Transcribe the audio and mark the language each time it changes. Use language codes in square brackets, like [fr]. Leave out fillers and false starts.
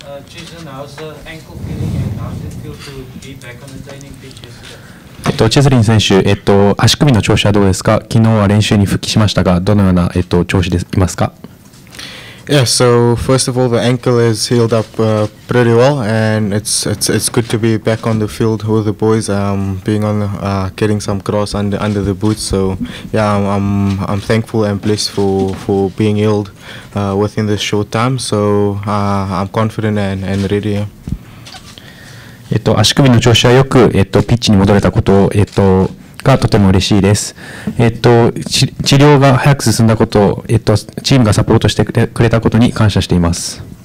[en] Cheslin, how's the ankle feeling and how does it feel to be back on the training pitch yesterday? [ja] Cheslin 選手、足首の調子はどうですか？昨日は練習に復帰しましたが、どのような、調子でいますか？ [en] Yeah, so first of all, the ankle has healed up pretty well, and it's good to be back on the field with the boys. Being on the, getting some cross under the boots. So yeah, I'm thankful and blessed for being healed within this short time. So I'm confident and ready. [ja] 足首の調子はよく、ピッチに戻れたことを、がとても嬉しいです。治療が早く進んだこと、チームがサポートしてくれたことに感謝しています。